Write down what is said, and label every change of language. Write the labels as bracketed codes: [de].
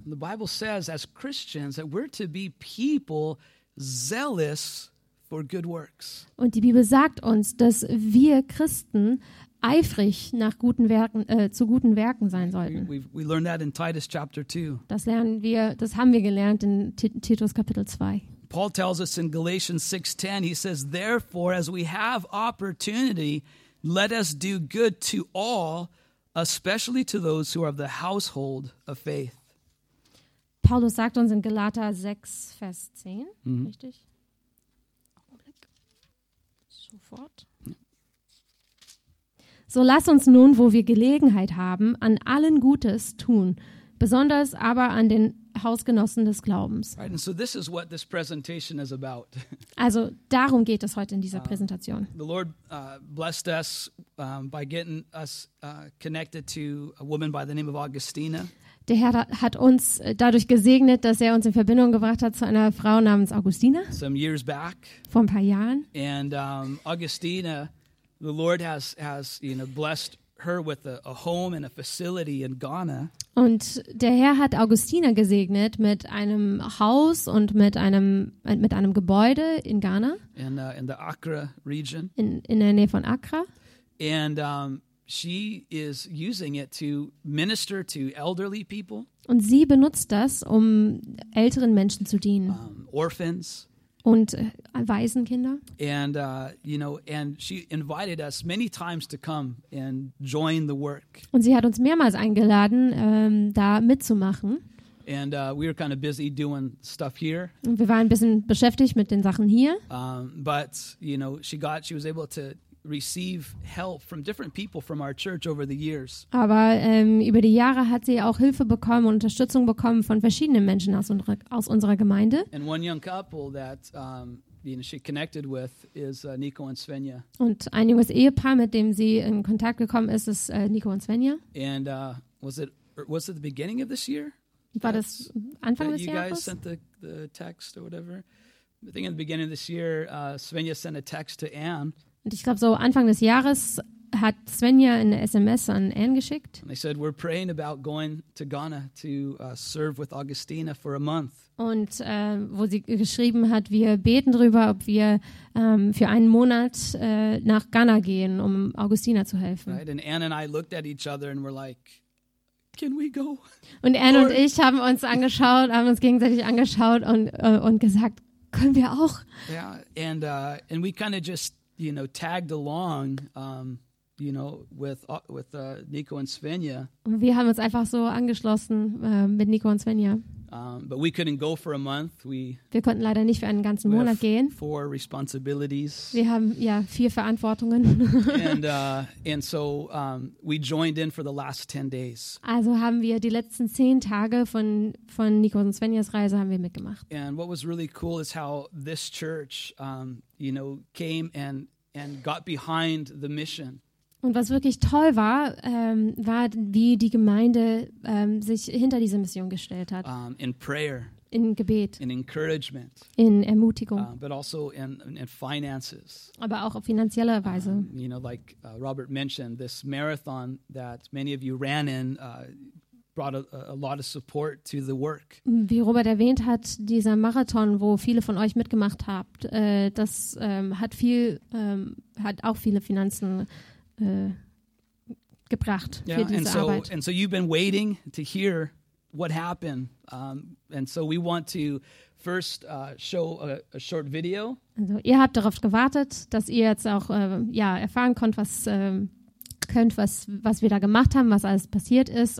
[en] The Bible says, as Christians, that we're to be people zealous for good works. [de] Und die Bibel sagt uns, dass wir Christen eifrig nach guten Werken zu guten Werken sein sollten. [en] We learned that in Titus chapter 2. [de] Das haben wir gelernt in Titus Kapitel 2. [en] Paul tells us in Galatians 6:10, he says, therefore, as we have opportunity, let us do good to all, especially to those who are of the household of faith. [de] Paulus sagt uns in Galater 6, Vers 10, richtig? Sofort. So lass uns nun, wo wir Gelegenheit haben, an allen Gutes tun, besonders aber an den Hausgenossen des Glaubens. [en] Right, and so this is what this presentation is about. [de] Also darum geht es heute in dieser Präsentation. [en] The Lord blessed us by getting us connected to a woman by the name of Augustina. [de] Der Herr hat uns dadurch gesegnet, dass er uns in Verbindung gebracht hat zu einer Frau namens Augustina. [en] Some years back. [de] Vor ein paar Jahren. [en] And Augustina, the Lord has you know blessed her with a home and a facility in Ghana. [de] Und der Herr hat Augustina gesegnet mit einem Haus und mit einem Gebäude in Ghana. [en] In the Accra region. [de] In der Nähe von Accra. [en] And she is using it to minister to elderly people. [de] Und sie benutzt das, um älteren Menschen zu dienen. [en] Orphans. [de] Und Waisenkinder. [en] And you know, and she invited us many times to come and join the work. [de] Und sie hat uns mehrmals eingeladen, da mitzumachen. [en] And we were kind of busy doing stuff here. [de] Und wir waren ein bisschen beschäftigt mit den Sachen hier. [en] But you know, she was able to receive help from different people from our church over the years. [de] Aber über die Jahre hat sie auch Hilfe bekommen und Unterstützung bekommen von verschiedenen Menschen aus unserer Gemeinde. [en] And one young couple that you know, she connected with is Nico and Svenja. [de] Und ein junges Ehepaar, mit dem sie in Kontakt gekommen ist, ist Nico und Svenja. [en] And was it the beginning of this year? [de] War das Anfang des Jahres? [en] You guys sent the text or whatever. I think in the beginning of this year, Svenja sent a text to Anne. [de] Und ich glaube, so Anfang des Jahres hat Svenja eine SMS an Anne geschickt. [en] And they said, we're praying about going to Ghana to serve with Augustina for a month. [de] Und wo sie geschrieben hat, wir beten drüber, ob wir für einen Monat nach Ghana gehen, um Augustina zu helfen. [en] Right? And Anne and I looked at each other and were like, can we go? [de] Und Anne und ich haben uns angeschaut, haben uns gegenseitig angeschaut und gesagt, können wir auch? [en] Ja, yeah, and we kind of just, you know, tagged along, you know, with Nico and Svenja. [de] Und wir haben uns einfach so angeschlossen mit Nico und Svenja. [en] But we couldn't go for a month. [de] Wir konnten leider nicht für einen ganzen Monat gehen. [en] Four responsibilities. [de] Wir haben ja vier Verantwortungen. [en] and so we joined in for the last 10 days. [de] Also haben wir die letzten 10 Tage von Nico und Svenjas Reise haben wir mitgemacht. [en] And what was really cool is how this church, you know, came and got behind the mission. [de] Und was wirklich toll war, war, wie die Gemeinde sich hinter diese Mission gestellt hat. [en] In prayer. [de] in Gebet, [en] in encouragement, [de] in Ermutigung, [en] but also in finances, [de] aber auch auf finanzieller Weise. [en] You know, like Robert mentioned, this marathon that many of you ran in brought a lot of support to the work. [de] Wie Robert erwähnt hat, dieser Marathon, wo viele von euch mitgemacht habt, das hat viel, hat auch viele Finanzen gebracht für diese Arbeit. [en] And so you've been waiting to hear what happened. And so we want to first show a short video. [de] Also ihr habt darauf gewartet, dass ihr jetzt auch ja, erfahren könnt, was wir da gemacht haben, was alles passiert ist.